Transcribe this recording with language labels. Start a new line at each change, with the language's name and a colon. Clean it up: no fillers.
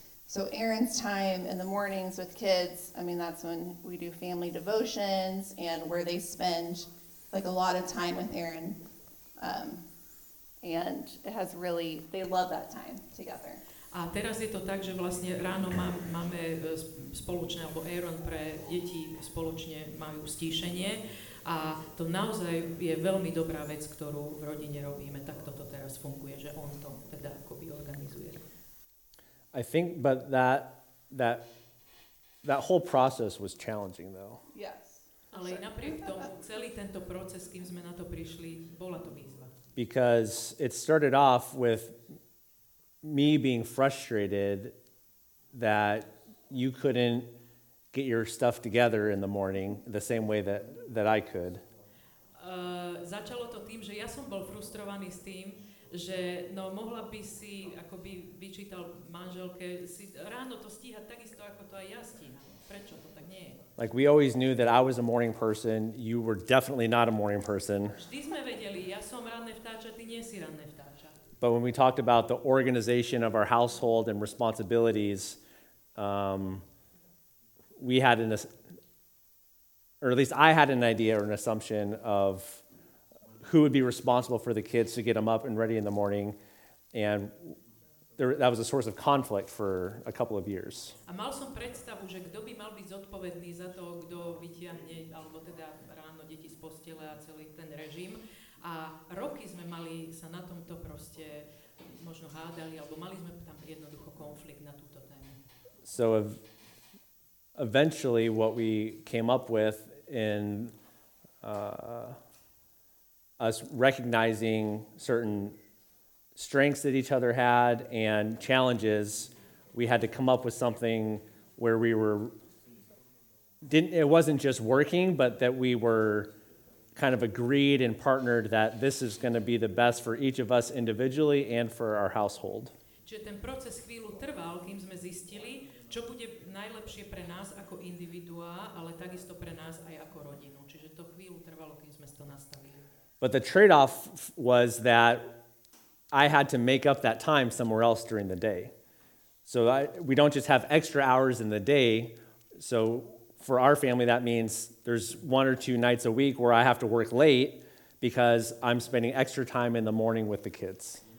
English: So Aaron's time in the mornings with kids, I mean, that's when we do family devotions and where they spend like a lot of time with Aaron. And it has really, they love that time together.
Slovak: A teraz je to tak, že vlastne ráno máme spoločne, alebo Aaron pre deti spoločne majú stíšenie. A to naozaj je veľmi dobrá vec, ktorú v rodine robíme. Tak toto teraz funguje, že on to teda akoby organizuje.
English: I think, but that whole process was challenging, though. Yes.
Slovak: Ale i napriek tomu, celý tento proces, kým sme na to prišli, bola to výzva.
English: Because it started off with me being frustrated that you couldn't get your stuff together in the morning the same way that I could.
Slovak: Začalo to tým, že ja som bol frustrovaný s tým, že no mohla by si, ako by vyčítal manželke, si ráno to stíhať takisto, ako to aj ja stíham. Prečo to tak nie je?
English: Like, we always knew that I was a morning person, you were definitely not a morning person.
Slovak: Vždy sme vedeli, ja som ranné vtáča, ty nie si ranné vtáča.
English: But when we talked about the organization of our household and responsibilities, we had an or at least I had an idea or an assumption of who would be responsible for the kids to get them up and ready in the morning, and that was a source of conflict for a couple of years.
Slovak: A mal som predstavu, že kto by mal byť zodpovedný za to, kto vytiahne alebo teda ráno deti z postele a celý ten režim. A roky sme mali sa na tomto proste možno hádali, alebo mali sme tam jednoducho konflikt na túto tému.
English: So eventually what we came up with in us recognizing certain strengths that each other had and challenges, we had to come up with something where we were it wasn't just working, but that we were kind of agreed and partnered that this is going to be the best for each of us individually and for our household.
Slovak: Čiže ten proces chvíľu trval, kým sme zistili, čo bude najlepšie pre nás ako individuá, ale takisto pre nás aj ako rodinu. Čiže to chvíľu trvalo, kým sme to nastavili.
English: But the trade-off was that I had to make up that time somewhere else during the day. So we don't just have extra hours in the day. So for our family, that means there's one or two nights a week where I have to work late because I'm spending extra time in the morning with the kids.